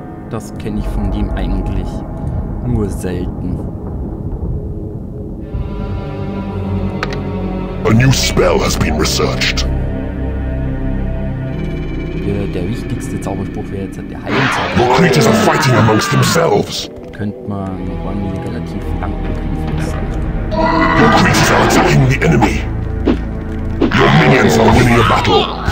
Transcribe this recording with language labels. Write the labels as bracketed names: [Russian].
[German] Das kenne ich von dem eigentlich nur selten. [English] A new spell has been researched. [German] Der wichtigste Zauberspruch wäre jetzt der Heilzauber. [English] Your creatures are fighting amongst themselves. [German] Könnte man One relativ lang bekämpfen. [English] Your creatures are attacking the enemy. Your minions are winning a battle.